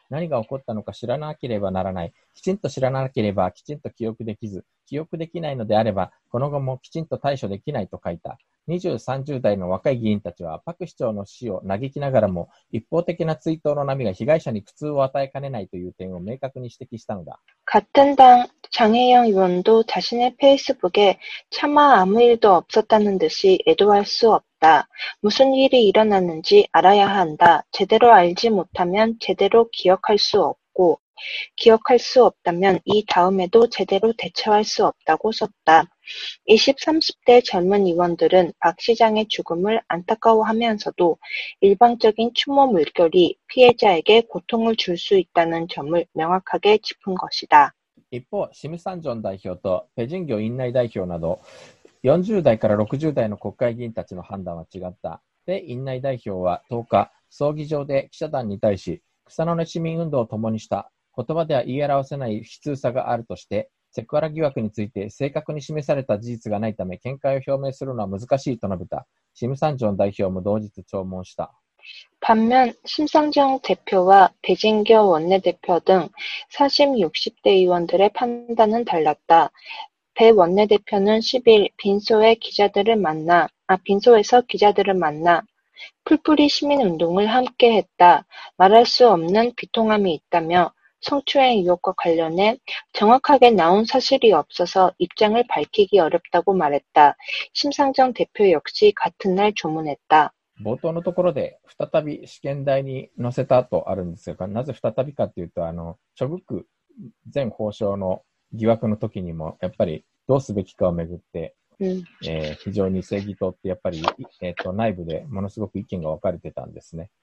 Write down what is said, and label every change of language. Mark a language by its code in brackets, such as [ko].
[ja] 何が起こったのか知らなければならない。きちんと知らなければきちんと記憶できず、記憶できないのであればこの後もきちんと対処できないと書いた。 20、30代の若い議員たちはパク市長の死を嘆きながらも一方的な追悼の波が被害者に苦痛を与えかねないという点を明確に指摘したのだ。 [ko] 같은당장혜영의원도자신의페이스북에차마아무일도없었다는듯이애도할수없다. 무슨일이일어났는지알아야한다. 제대로알지못하면제대로기억할수없고기억할수없다면이다음에도제대로대처할수없다고썼다. 20, 30대젊은의원들은박시장의죽음을안타까워하면서도일방적인추모물결이피해자에게고통을줄수있다는점을명확하게짚은것이다. [ja] 一方、シムサンジョン代表とペジンギョ院内代表など40代から60代の国会議員たちの判断は違った。ペ院内代表は10日、葬儀場で記者団に対し、草の根市民運動を共にした。言葉では言い表せない悲痛さがあるとして、セクハラ疑惑について正確に示された事実がないため見解を表明するのは難しいと述べた。シムサンジョン代表も同日弔問した。 [ko] 반면심상정대표와배진교원내대표등 40, 60대의원들의판단은달랐다. 배원내대표는10일빈소에서기자들을만나풀뿌리시민운동을함께했다. 말할수없는비통함이있다며성추행의혹과관련해정확하게나온사실이없어서입장을밝히기어렵다고말했다.심상정대표역시같은날조문했다. [ja] 冒頭のところで再び試験台に載せたとあるんですが、なぜ再びかっていうと、チョグク前法相の疑惑の時にも、やっぱりどうすべきかをめぐって、非常に正義党ってやっぱり、内部でものすごく意見が分かれてたんですね。